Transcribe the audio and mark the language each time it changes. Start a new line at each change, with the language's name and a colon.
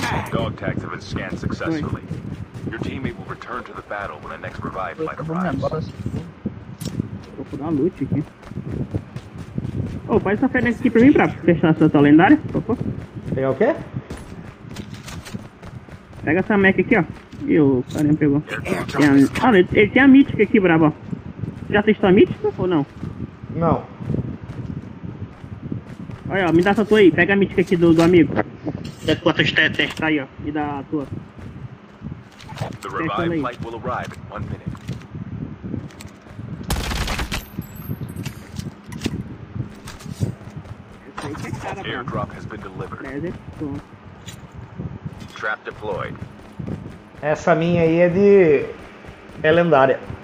English: Dog tags have been scanned successfully. Your teammate will return to the battle when the next revive flight arrives.
Portuguese: Vou pegar uma loot aqui. Oh, faz essa Fennec aqui pra mim pra fechar essa tua lendária. Pegar o quê? Pega essa mech aqui, ó. Ih, o carinha pegou. Ele tem a mítica aqui, brabo. Já testou a mítica ou não? Não. Olha, ó, me dá essa tua aí, pega a mítica aqui do amigo. É tua testar aí, ó. Me dá a tua.
English: The revive flight will arrive in 1 minute. Airdrop has been delivered. Trap deployed.
Portuguese: Essa minha aí é lendária.